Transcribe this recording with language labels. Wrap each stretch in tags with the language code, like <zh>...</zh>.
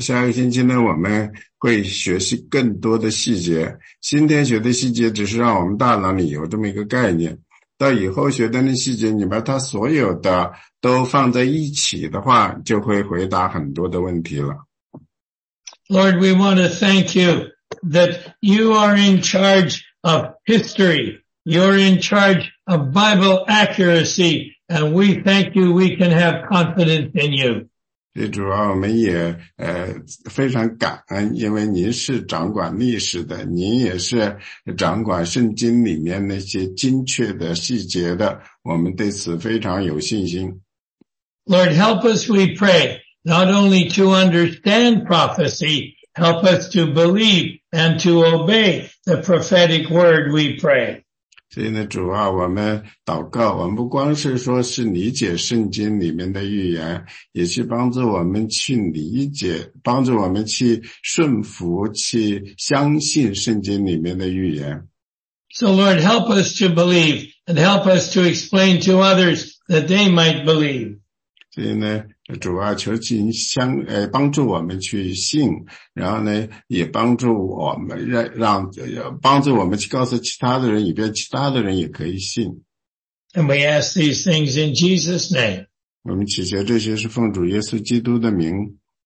<zh>下个星期呢，我们会学习更多的细节。今天学的细节只是让我们大脑里有这么一个概念。到以后学的那细节，你把它所有的都放在一起的话，就会回答很多的问题了。</zh> <en>Lord, we want to thank you that you are in charge of history. You're in charge of Bible accuracy, and we thank you we can have confidence in you.</en> <zh>主啊，我们也非常感恩，因为您是掌管历史的，您也是掌管圣经里面那些精确的细节的，我们对此非常有信心。</zh> <en>Lord, help us, we pray, not only to understand prophecy, help us to believe and to obey the prophetic word, we pray.</en> <zh>所以呢，主啊，我们祷告，我们不光是说是理解圣经里面的预言，也去帮助我们去理解，帮助我们去顺服，去相信圣经里面的预言。</zh> <en>So Lord, help us to believe and help us to explain to others that they might believe.</en> <zh>所以呢，主啊，求您帮助我们去信，然后呢，也帮助我们帮助我们去告诉其他的人，以便其他的人也可以信。</zh> <en>And we ask these things in Jesus' name.</en> <zh>我们祈求这些是奉主耶稣基督的名。</zh>